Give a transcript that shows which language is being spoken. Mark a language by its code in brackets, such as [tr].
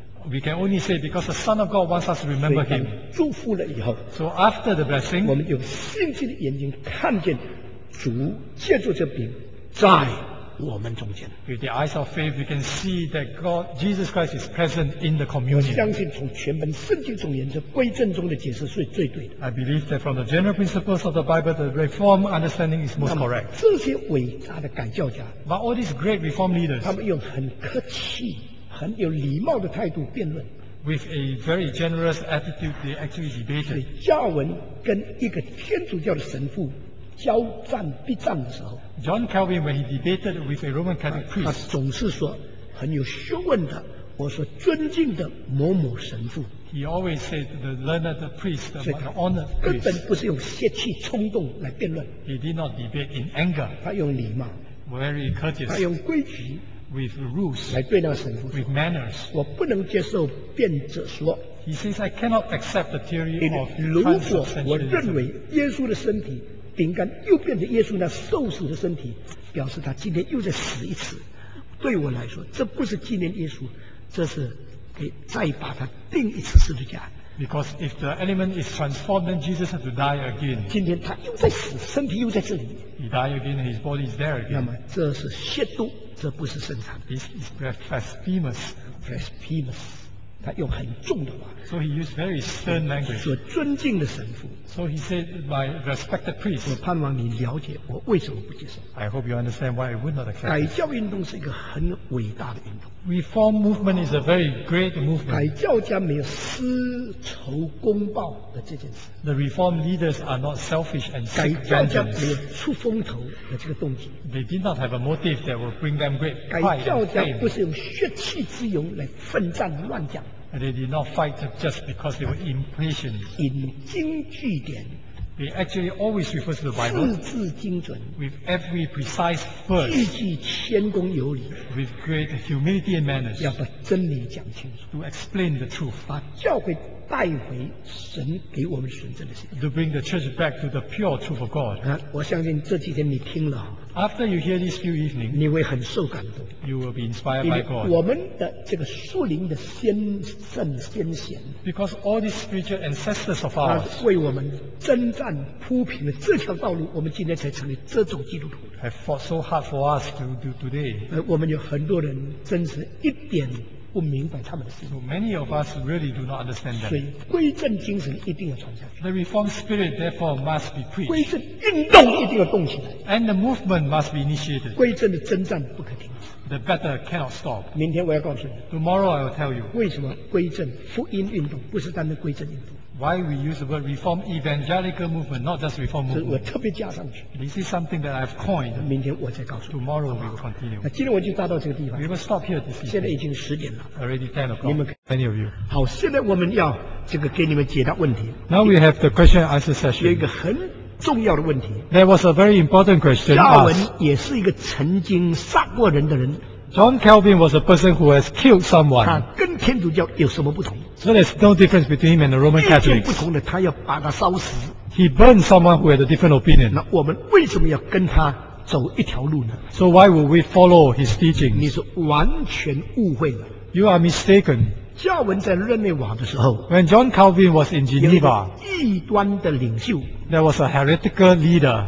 [en] We can only say because the Son of God wants us to remember Him. [zh] 祝福了以后。 [en] So after the blessing. [zh] 我们用信心的眼睛看见主借助这饼在。我们中间 [en] with the eyes of faith we can see that God Jesus Christ is present in the communion [zh] 相信从全本圣经总言之归正宗的解释是最对的 [en] I believe that from the general principles of the Bible the reform understanding is most correct [zh] 这些伟大的改教家 [en] but all these great reform leaders [zh] 他们用很客气很有礼貌的态度辩论 [en] with a very generous attitude they actually debated [zh] 加文跟一个天主教的神父交战必战的时候 [en] ，John Calvin when he debated with a Roman Catholic priest， [zh] 他总是说很有学问的，我说尊敬的某某神父。 [en] He always said the learned priest, the honored priest， [zh] 根本不是用泄气冲动来辩论。 [en] He did not debate in anger， [zh] 他用礼貌 [en] ，very courteous， [zh] 他用规矩。 [en] With rules, [zh] 来对那个神父说 [en] with manners, [zh] 我不能接受辩者说 [en] He says I cannot accept the theory of transubstantiation. [zh] 如果我认为耶稣的身体饼干又变成耶稣那受死的身体，表示他今天又在死一次，对我来说这不是纪念耶稣，这是给再把他钉一次十字架。 [en] Because if the element is transformed, then Jesus has to die again. [zh] 今天他又在死，身体又在这里。 [en] He died again, and his body is there again. [zh] 那么这是亵渎，这不是圣餐。 [en] This is blasphemous. Blasphemous. [zh] 他用很重的话。 [en] So he used very stern language. [zh] 说尊敬的神父。 [en] So he said, my respected priest. [zh] 我盼望你了解我为什么不接受。 [en] I hope you understand why I would not accept. [zh] 改教运动是一个很伟大的运动。 [en] Reform movement is a very great movement. [zh] 改教家没有私仇公报的这件事。 [en] The reform leaders are not selfish and seek vengeance. [zh] 改教家没有出风头的这个动机。 [en] They did not have a motive that will bring them great pride and fame. [zh] 改教家不是用血气之勇来奋战乱讲。 [en] And they did not fight just because they were impatient. [zh] 引经据典。 [en] They actually always refer to the Bible. [zh] 字字精准。 [en] With every precise verse. [zh] 句句谦恭有礼。 [en] With great humility and manners. [zh] 要把真理讲清楚。 [en] To explain the truth. [zh] 把教会带回神给我们纯正的信仰。 [en] To bring the church back to the pure truth of God. [zh] 我相信这几天你听了。 [en] After you hear these few evenings, [zh] 你会很受感动。 [en] You will be inspired by God. [zh] 我们的这个树林的先圣先贤 [en] ，Because all these spiritual ancestors of ours, [zh] 为我们征战铺平了这条道路，我们今天才成为这种基督徒。 [en] Have fought so hard for us to do today. [zh] 我们有很多人真是一点不明白他们的事。 [en] So many of us really do not understand that. [zh] 所以归正精神一定要传下去。 [en] The reform spirit therefore must be preached. [zh] 归正运动一定要动起来。 [en] And the movement must be initiated. [zh] 归正的征战不可停止。 [en] The battle cannot stop. [zh] 明天我要告诉你。 [en] Tomorrow I will tell you. [zh] 为什么归正福音运动不是单单归正运动？ [en] Why we use the word reform evangelical movement, not just reform movement. [zh] 我特别加上去。 [en] This is something that I've coined. [zh] 明天我再告诉你。 [en] Tomorrow we will continue. [zh] 那今天我就到这个地方。 [en] We will stop here this evening. [zh] 现在已经十点了。 [en] Already 10 o'clock. Many of you. [zh] 好，现在我们要这个给你们解答问题。 [en] Now we have the question and answer session. [zh] 有一个很重要的问题。 [en] There was a very important question. [zh] 加文也是一个曾经杀过人的人。 [en] John Calvin was a person who has killed someone. [zh] 他跟天主教有什么不同？ [en] So there's no difference between him and the Roman Catholics. [zh] 意见不同的，他要把他烧死。 [en] He burned someone who had a different opinion. [zh] 那我们为什么要跟他走一条路呢？ [en] So why would we follow his teachings? [zh] 你是完全误会了。 [en] You are mistaken. [zh] 加文在日内瓦的时候 [en] ，When John Calvin was in Geneva, [zh] 异端的领袖 [en] ，There was a heretical leader.